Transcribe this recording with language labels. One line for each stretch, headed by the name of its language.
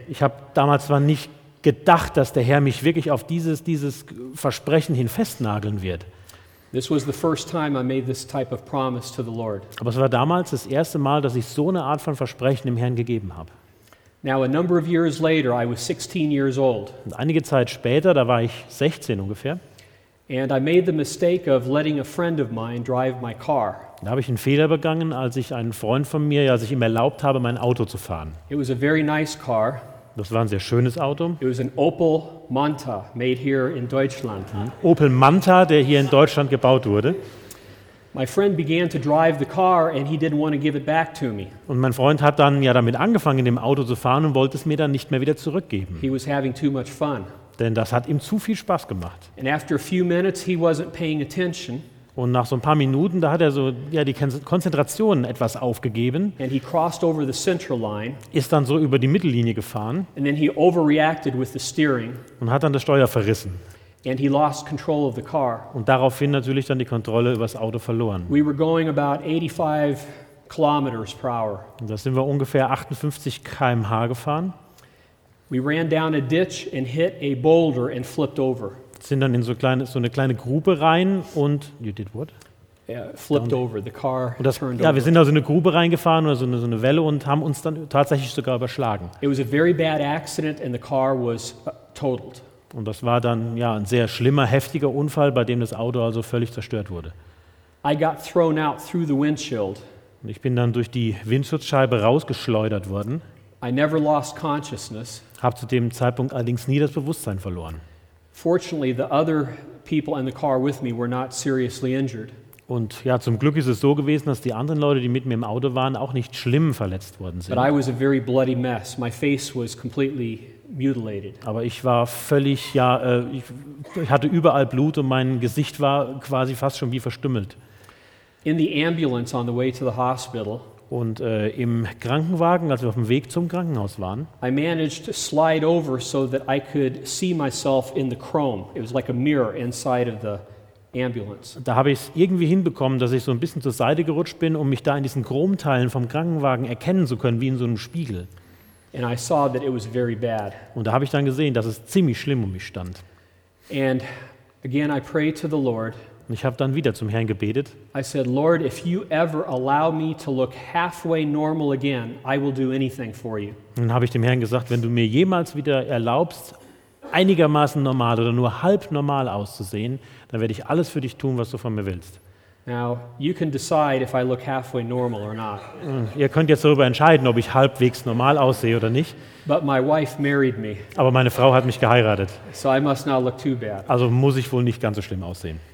German: Ich habe damals zwar nicht gedacht, dass der Herr mich wirklich auf dieses Versprechen hin festnageln wird.
English: This was the first time I made this type of promise to the Lord.
German: Aber es war damals das erste Mal, dass ich so eine Art von Versprechen dem Herrn gegeben habe.
English: Now a number of years later I was 16 years old.
German: Und einige Zeit später, da war ich 16 ungefähr.
English: And I made the mistake of letting a friend of mine drive my car.
German: Da habe ich einen Fehler begangen, als ich einen Freund von mir, als ich ihm erlaubt habe, mein Auto zu fahren.
English: It was a very nice car.
German: Das war ein sehr schönes Auto.
English: It was an Opel Manta, made here in Deutschland.
German: Opel Manta, der hier in Deutschland gebaut wurde.
English: My friend began to drive the car and he didn't want to give it back to me.
German: Und mein Freund hat dann ja damit angefangen, in dem Auto zu fahren und wollte es mir dann nicht mehr wieder zurückgeben.
English: He was having too much fun.
German: Denn das hat ihm zu viel Spaß gemacht.
English: And after a few minutes he wasn't paying attention.
German: Und nach so ein paar Minuten, da hat er so ja die Konzentration etwas aufgegeben.
English: And he crossed over the central line.
German: Ist dann so über die Mittellinie gefahren.
English: And then he overreacted with the steering.
German: Und hat dann das Steuer verrissen.
English: And he lost control of the car.
German: Und daraufhin natürlich dann die Kontrolle über das Auto verloren.
English: We were going about 85 kilometers per hour.
German: Und da sind wir ungefähr 58 km/h gefahren.
English: We ran down a ditch and hit a boulder and flipped over.
German: Sind dann in so eine kleine Grube rein und
English: you did what? Yeah, flipped down. Over the car.
German: Und das, turned ja, wir sind also in eine Grube reingefahren oder so eine Welle und haben uns dann tatsächlich sogar überschlagen.
English: It was a very bad accident and the car was totaled.
German: Und das war dann ja ein sehr schlimmer, heftiger Unfall, bei dem das Auto also völlig zerstört wurde.
English: I got thrown out through the windshield.
German: Und ich bin dann durch die Windschutzscheibe rausgeschleudert worden.
English: I never lost consciousness.
German: Hab zu dem Zeitpunkt allerdings nie das Bewusstsein verloren.
English: Fortunately, the other people in the car with me were not seriously injured.
German: Und ja, zum Glück ist es so gewesen, dass die anderen Leute, die mit mir im Auto waren, auch nicht schlimm verletzt worden sind.
English: But I was a very bloody mess. My face was completely mutilated.
German: Aber ich war völlig ja, ich hatte überall Blut und mein Gesicht war quasi fast schon wie verstümmelt.
English: In the ambulance on the way to the hospital.
German: Und im Krankenwagen, als wir auf dem Weg zum Krankenhaus waren,
English: I managed to slide over so that I could see myself in the chrome. It was like a mirror inside of the ambulance.
German: Da habe ich es irgendwie hinbekommen, dass ich so ein bisschen zur Seite gerutscht bin, um mich da in diesen Chromteilen vom Krankenwagen erkennen zu können, wie in so einem Spiegel.
English: And I saw that it was very bad.
German: Und da habe ich dann gesehen, dass es ziemlich schlimm um mich stand.
English: And again, I prayed to the Lord.
German: Und ich habe dann wieder zum Herrn gebetet.
English: I said, Lord, if you ever allow me to look halfway normal again, I will do anything for you.
German: Und dann habe ich dem Herrn gesagt, wenn du mir jemals wieder erlaubst, einigermaßen normal oder nur halb normal auszusehen, dann werde ich alles für dich tun, was du von mir willst.
English: Now, you can decide if I look halfway normal or not.
German: Ihr könnt jetzt darüber entscheiden, ob ich halbwegs normal aussehe oder nicht.
English: But my wife married me.
German: Aber meine Frau hat mich geheiratet.
English: So I must not look too bad.
German: Also muss ich wohl nicht ganz so schlimm aussehen.